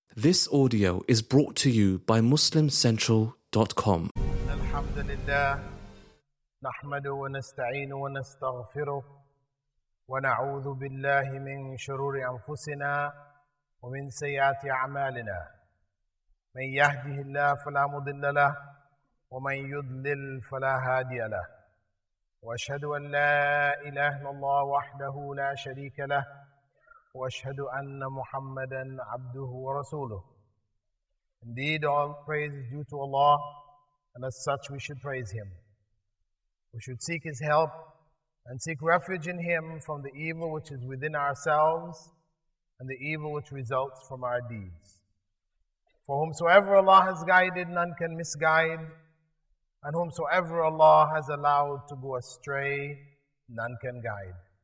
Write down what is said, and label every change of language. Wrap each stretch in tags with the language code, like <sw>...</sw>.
<en>This audio is brought to you by MuslimCentral.com.</en> <ar>الحمد لله نحمد ونستعين ونستغفر ونعوذ بالله من شرور أنفسنا ومن سيئات أعمالنا من يهده الله فلا مضل له ومن يضلل فلا هادي له وأشهد أن لا إله إلا الله وحده لا شريك له وأشهد أن محمدًا عبده ورسوله.</ar> <en>Indeed, all praise is due to Allah, and as such we should praise Him. We should seek His help and seek refuge in Him from the evil which is within ourselves and the evil which results from our deeds. For whomsoever Allah has guided, none can misguide, and whomsoever Allah has allowed to go astray, none can guide.</en>